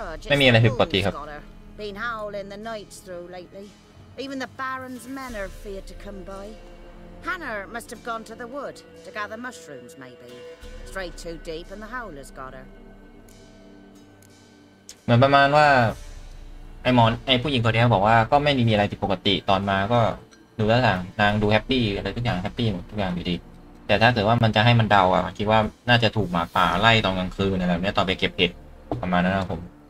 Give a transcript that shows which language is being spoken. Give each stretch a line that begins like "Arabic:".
Thai: ไม่มีอะไรผิดปกติครับ
English: Been howling the nights through lately. Even the Baron's men are feared to come by. Hannah must have gone to the wood to gather mushrooms, maybe. Straight too deep and the howlers got her.
Thai: เหมือนประมาณว่าไอ้หมอนไอ้ผู้หญิงคนนี้บอกว่าก็ไม่มีอะไรผิดปกติตอนมาก็ดูแล้วนางดูแฮปปี้อะไรทุกอย่างแฮปปี้หมดทุกอย่างอยู่ดีแต่ถ้าเกิดว่ามันจะให้มันเดาอ่ะคิดว่าน่าจะถูกหมาป่าไล่ตอนกลางคืนอะไรแบบนี้ตอนไปเก็บเห็ดประมาณนั้นนะผม